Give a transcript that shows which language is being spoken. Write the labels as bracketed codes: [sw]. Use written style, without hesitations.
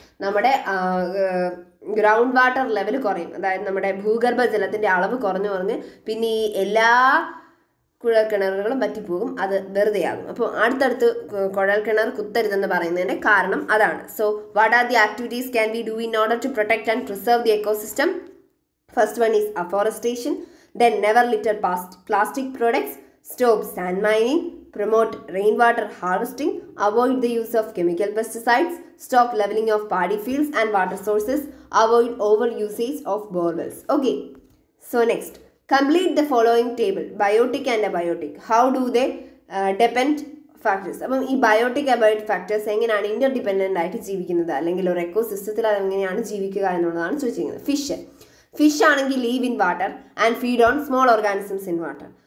[ml] നമ്മുടെ ground water level കുറയും, അതായത് നമ്മുടെ ഭൂഗർഭജലത്തിൻ്റെ അളവ് കുറഞ്ഞു കുറഞ്ഞ് പിന്നെ ഈ എല്ലാ കുഴൽക്കിണറുകളും പറ്റിപ്പോകും, അത് വെറുതെയാകും. അപ്പോൾ അടുത്തടുത്ത് കുഴൽക്കിണർ കുത്തരുതെന്ന് പറയുന്നതിൻ്റെ കാരണം അതാണ്. [en] So what are the activities can we do in order to protect and preserve the ecosystem? First one is afforestation, then never litter plastic products, stop sand mining, promote rainwater harvesting, avoid the use of chemical pesticides, stop leveling of paddy fields and water sources, avoid overusage of borewells. Okay, so next, complete the following table, biotic and abiotic. How do they depend factors? [ml] അപ്പം ഈ biotic abiotic factors എങ്ങനെയാണ് ഇൻ്റർഡിപ്പെൻഡൻ്റ് ആയിട്ട് ജീവിക്കുന്നത്, അല്ലെങ്കിൽ ഒരു എക്കോസിസ്റ്റത്തിൽ അത് എങ്ങനെയാണ് ജീവിക്കുക എന്നുള്ളതാണ് ചോദിച്ചിരിക്കുന്നത്. [en] fish, fish [ml] ആണെങ്കിൽ [en] Live in water and feed on small organisms in water.